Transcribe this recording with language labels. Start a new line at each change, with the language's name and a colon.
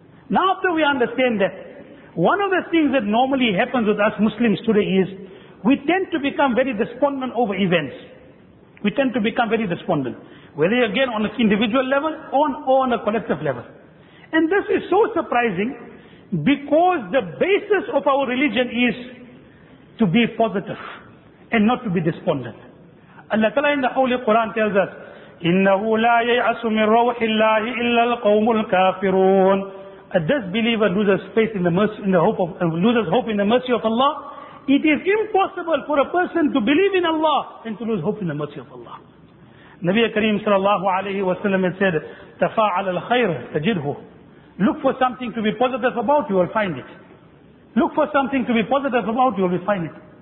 English: Now after we understand that, one of the things that normally happens with us Muslims today is, we tend to become very despondent over events. We tend to become very despondent. Whether again on an individual level or on a collective level. And this is so surprising, because the basis of our religion is to be positive and not to be despondent. Allah Ta'ala in the Holy Quran tells us,
Arabic: إِنَّهُ لَا يَيْعَسُ مِنْ رَوْحِ اللَّهِ إِلَّا الْقَوْمُ الْكَافِرُونَ.
English: A disbeliever loses faith in the mercy, loses hope in the mercy of Allah. It is impossible for a person to believe in Allah and to lose hope in the mercy of Allah. Nabi Kareem sallallahu alayhi wa sallam said,
Arabic: تَفَاعَلَ الْخَيْرُ تَجِدْهُ.
English: Look for something to be positive about, you will find it. Look for something to be positive about, you will find it.